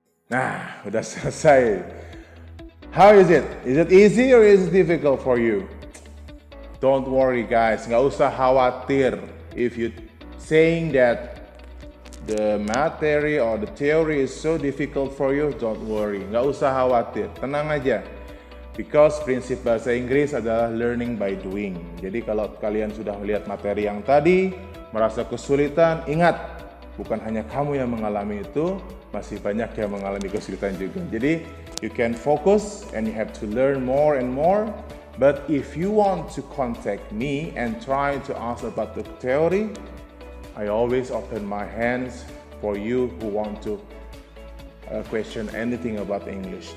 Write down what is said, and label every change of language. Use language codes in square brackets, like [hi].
[id] Nah, udah selesai. [en] How is it? Is it easy or is it difficult for you? Don't worry guys, [id] nggak usah khawatir [en] if you saying that the materi or the theory is so difficult for you, don't worry. [id] Nggak usah khawatir, tenang aja. Because prinsip bahasa Inggris adalah [en] learning by doing. [id] Jadi kalau kalian sudah melihat materi yang tadi, merasa kesulitan, ingat, bukan hanya kamu yang mengalami itu, masih banyak yang mengalami kesulitan juga. [en] Jadi, you can focus and you have to learn more and more. But if you want to contact me and try to ask about the theory, I always open my hands for you who want to question anything about English.